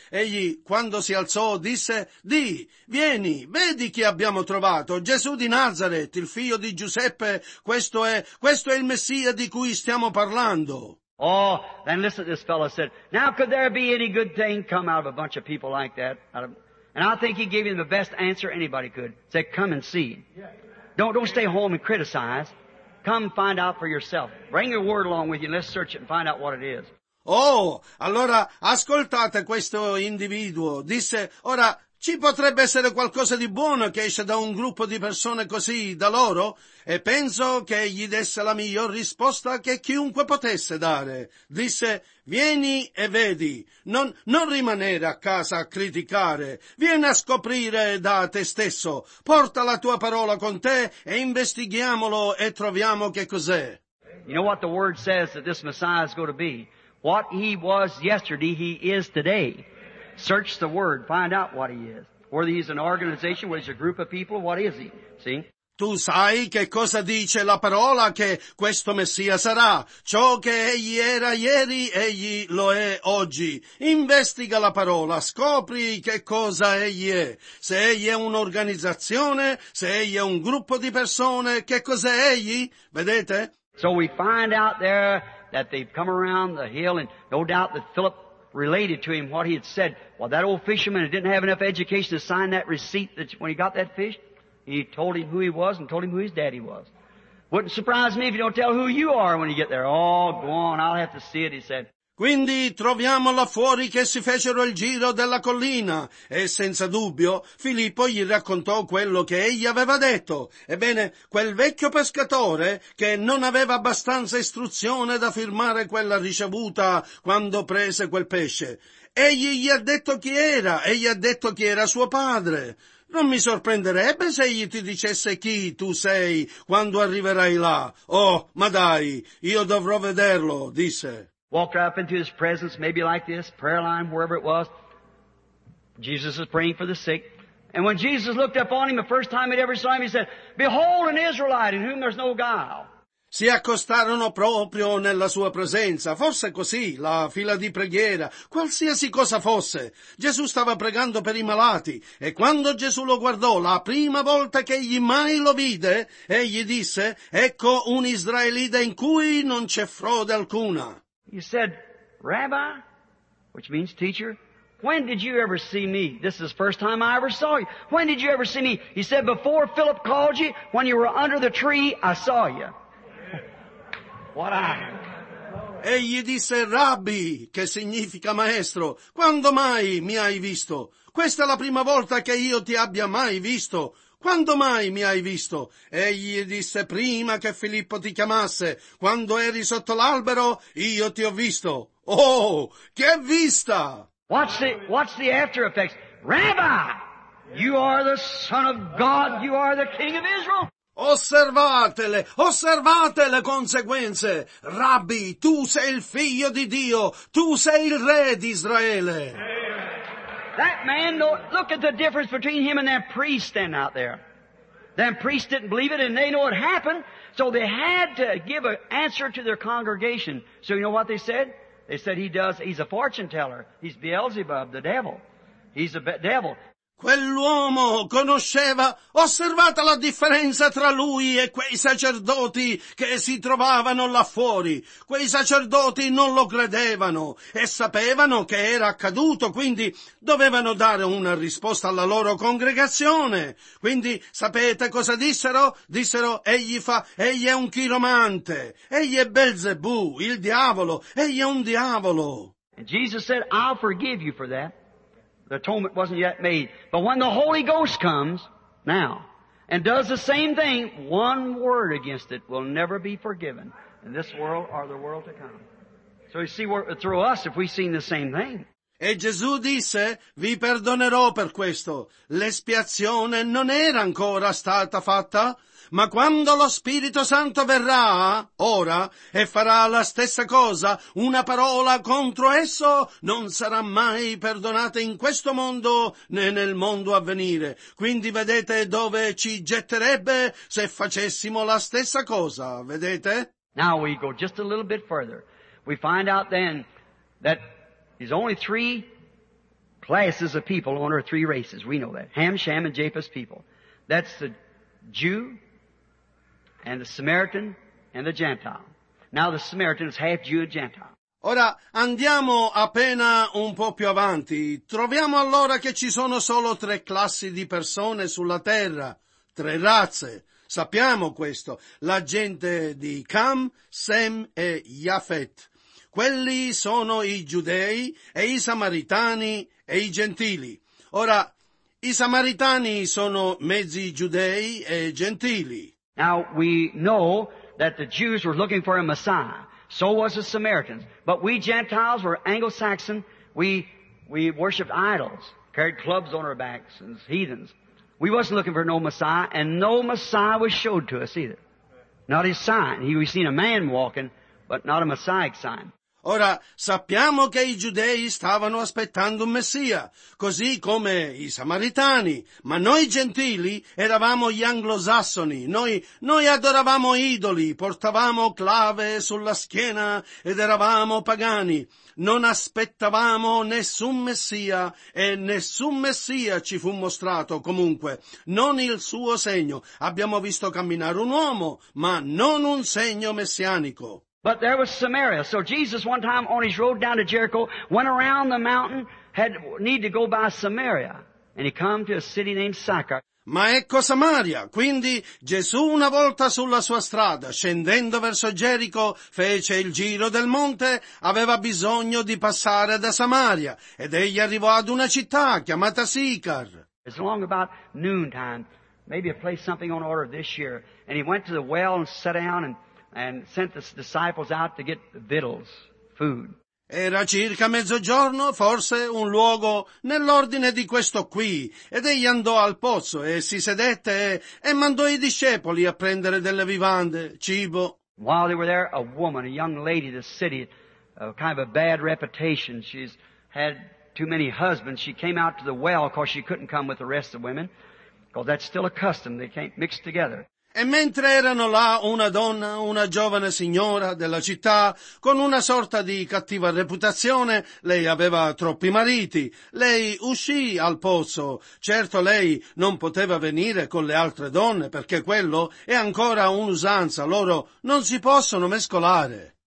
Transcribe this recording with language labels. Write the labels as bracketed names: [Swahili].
[Italian] Egli, quando si alzò, disse, "Di, vieni, vedi chi abbiamo trovato, Gesù di Nazareth, il figlio di Giuseppe, questo è il Messia di cui stiamo parlando." [English] Oh, then listen to this fellow said, "Now could there be any good thing come out of a bunch of people like that?" And I think he gave him the best answer anybody could. He said, "Come and see. Don't stay home and criticize. Come find out for yourself. Bring your word along with you and let's search it and find out what it is." [Italian] Oh, allora ascoltate questo individuo. Disse, ora, ci potrebbe essere qualcosa di buono che esce da un gruppo di persone così, da loro? E penso che gli desse la miglior risposta che chiunque potesse dare. Disse, vieni e vedi, non rimanere a casa a criticare, vieni a scoprire da te stesso, porta la tua parola con te e investighiamolo e troviamo che cos'è. [English] You know what the word says that this Messiah is going to be? What he was yesterday, he is today. Search the word, find out what he is. Whether he's an organization, whether he's a group of people, what is he? See? [Italian] Tu sai che cosa dice la parola che questo Messia sarà. Ciò che egli era ieri, egli lo è oggi. Investiga la parola, scopri che cosa egli è. Se egli è un'organizzazione, se egli è un gruppo di persone, che cos'è egli? Vedete? [English] So we find out there that they've come around the hill and no doubt that Philip related to him what he had said. Well, that old fisherman didn't have enough education to sign that receipt that when he got that fish, he told him who he was and told him who his daddy was. Wouldn't surprise me if you don't tell who you are when you get there. Oh, go on, I'll have to see it, he said. [Italian] Quindi troviamo là fuori che si fecero il giro della collina e senza dubbio Filippo gli raccontò quello che egli aveva detto. Ebbene, quel vecchio pescatore che non aveva abbastanza istruzione da firmare quella ricevuta quando prese quel pesce. Egli gli ha detto chi era e gli ha detto chi era suo padre. Non mi sorprenderebbe se egli ti dicesse chi tu sei quando arriverai là. Oh, ma dai, io dovrò vederlo, disse. [English] Walked up into his presence, maybe like this, prayer line, wherever it was. Jesus is praying for the sick. And when Jesus looked up on him, the first time he'd ever saw him, he said, "Behold an Israelite in whom there's no guile." [Italian] Si accostarono proprio nella sua presenza. Forse così, la fila di preghiera, qualsiasi cosa fosse. Gesù stava pregando per i malati, e quando Gesù lo guardò, la prima volta che egli mai lo vide, egli disse, "Ecco un israelita in cui non c'è frode alcuna." [English] He said, "Rabbi," which means teacher, "when did you ever see me? This is the first time I ever saw you. When did you ever see me?" He said, "Before Philip called you, when you were under the tree, I saw you." What I am. [Italian] Egli disse, "Rabbi," che significa maestro, "quando mai mi hai visto? Questa è la prima volta che io ti abbia mai visto. Quando mai mi hai visto?" Egli disse, "Prima che Filippo ti chiamasse, quando eri sotto l'albero, io ti ho visto." Oh, che vista! [English] What's the after effects? "Rabbi, you are the Son of God, you are the King of Israel." [Italian] Osservate le conseguenze. "Rabbi, tu sei il figlio di Dio, tu sei il re di Israele." [English] That man, look at the difference between him and that priest standing out there. That priest didn't believe it, and they know it happened, so they had to give an answer to their congregation. So you know what they said? They said he's a fortune teller. He's Beelzebub, the devil. He's a devil. [Italian] Quell'uomo conosceva, osservata la differenza tra lui e quei sacerdoti che si trovavano là fuori. Quei sacerdoti non lo credevano e sapevano che era accaduto, quindi dovevano dare una risposta alla loro congregazione. Quindi sapete cosa dissero? Dissero, egli è un chiromante, egli è Belzebù, il diavolo, egli è un diavolo. [English] And Jesus said, "I'll forgive you for that. The atonement wasn't yet made. But when the Holy Ghost comes now and does the same thing, one word against it will never be forgiven in this world or the world to come." So you see, through us, if we've seen the same thing. [Italian] E Gesù disse, "Vi perdonerò per questo. L'espiazione non era ancora stata fatta. Ma quando lo Spirito Santo verrà, ora, e farà la stessa cosa, una parola contro esso non sarà mai perdonata in questo mondo né nel mondo a venire. Quindi vedete dove ci getterebbe se facessimo la stessa cosa, vedete?" [English] Now we go just a little bit further. We find out then that there's only three classes of people on earth, three races, we know that. Ham, Shem, and Japheth's people. That's the Jew, and the Samaritan, and the Gentile. Now the Samaritan is half Jew and Gentile. [Italian] Ora, andiamo appena un po' più avanti. Troviamo allora che ci sono solo tre classi di persone sulla terra, tre razze. Sappiamo questo. La gente di Cam, Sem e Japhet. Quelli sono i giudei e i samaritani e i gentili. Ora, i samaritani sono mezzi giudei e gentili. [English] Now we know that the Jews were looking for a Messiah. So was the Samaritans. But we Gentiles were Anglo-Saxon. We worshiped idols, carried clubs on our backs as heathens. We wasn't looking for no Messiah, and no Messiah was showed to us either. Not his sign. We seen a man walking, but not a Messiah sign. [Italian] Ora, sappiamo che i giudei stavano aspettando un Messia, così come i samaritani, ma noi gentili eravamo gli anglosassoni, noi adoravamo idoli, portavamo clave sulla schiena ed eravamo pagani, non aspettavamo nessun Messia e nessun Messia ci fu mostrato comunque, non il suo segno, abbiamo visto camminare un uomo, ma non un segno messianico. [English] But there was Samaria. So Jesus one time on his road down to Jericho went around the mountain, had need to go by Samaria. And he come to a city named Sychar. [Italian] Ma ecco Samaria. Quindi Gesù una volta sulla sua strada, scendendo verso Gerico, fece il giro del monte, aveva bisogno di passare da Samaria. Ed egli arrivò ad una città chiamata Sychar. [English] It's long about noontime. Maybe a place something on order this year. And he went to the well and sat down and sent the disciples out to get victuals, food. [Italian] Era circa mezzogiorno, forse un luogo nell'ordine di questo qui, ed egli andò al pozzo e si sedette e mandò i discepoli a prendere delle vivande, cibo. [English] While they were there, a woman, a young lady, the city, a kind of a bad reputation. She's had too many husbands, she came out to the well because she couldn't come with the rest of the women. Because that's still a custom, they can't mix together. [Italian] E mentre erano là una donna, una giovane signora della città, con una sorta di cattiva reputazione, lei aveva troppi mariti, lei uscì al pozzo. Certo lei non poteva venire con le altre donne, perché quello è ancora un'usanza, loro non si possono mescolare.